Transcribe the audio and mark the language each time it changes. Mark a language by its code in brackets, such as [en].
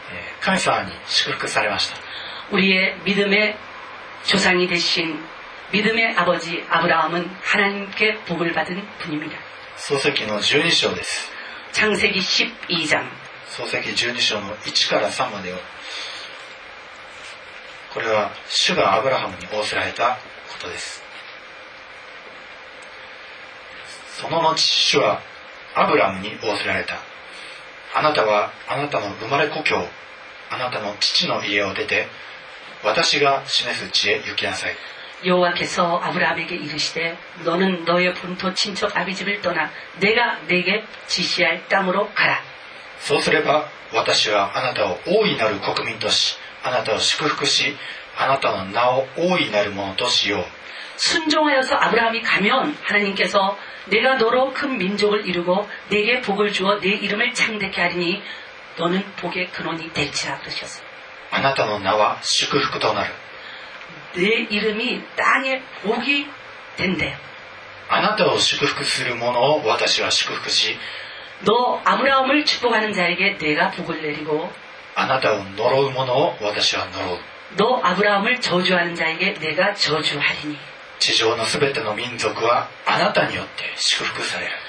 [ja] 私たちの信仰の父親であるアブラハムは神様に祝福されました。 [ko] 우리의 믿음의 조상이 되신 믿음의 아버지 아브라함은 하나님께 복을 받은 분입니다. [ja] 創世記の12章です。創世記12章の1から3までを。これは主がアブラハムに仰せられたことです。その後主はアブラムに仰せられた。あなたはあなたの生まれ故郷、あなたの父の家を出て、私が示す地へ行きなさい。 [ko] 여호와께서아브라함에게이르시되너는너의본토친척아비집을떠나내가네게지시할땅으로가라 [ja] そうすれば私はあなたを大いなる国民としあなたを祝福しあなたの名を大いなるものとしよう [ko] 순종하여서아브라함이가면하나님께서내가너로큰민족을이루고네게복을주어네이름을창대케하리니너는복의근원이될지라그러셨어 [ja] あなたの名は祝福となる [ko] 내이름이땅의복이된대요 [ja] あなたを祝福する者を私は祝福し [ko] 너아브라함을축복하는자에게내가복을내리고 [ja] あなたを呪う者を私は呪う [ko] 너아브라함을저주하는자에게내가저주하리니 [ja] 地上のすべての民族はあなたによって祝福される。